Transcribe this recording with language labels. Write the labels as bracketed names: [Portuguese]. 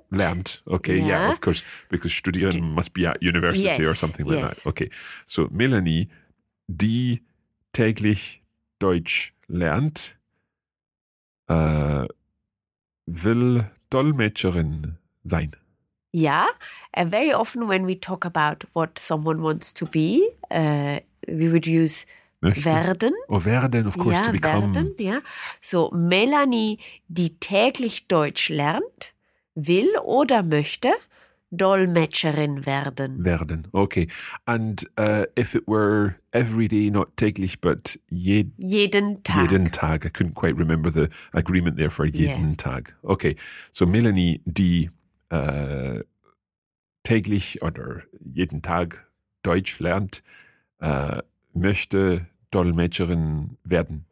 [English] Lernt, okay, yeah, of course, because studieren must be at university or something like that. Okay, so [German] Melanie, die täglich Deutsch lernt, will Dolmetscherin sein. [English] Yeah, very often when we talk about what someone wants to be, we would use möchte. [German] Werden. [English] Oh, werden, of course, to become. Werden, yeah. [German] So Melanie, die täglich Deutsch lernt, will oder möchte Dolmetscherin werden. [English] Werden, okay. And if it were every day, not täglich, but [German] jeden Tag. Jeden Tag. [English] I couldn't quite remember the agreement there for jeden Tag. Okay, so [German] Melanie, die täglich oder jeden Tag Deutsch lernt, möchte Dolmetscherin werden.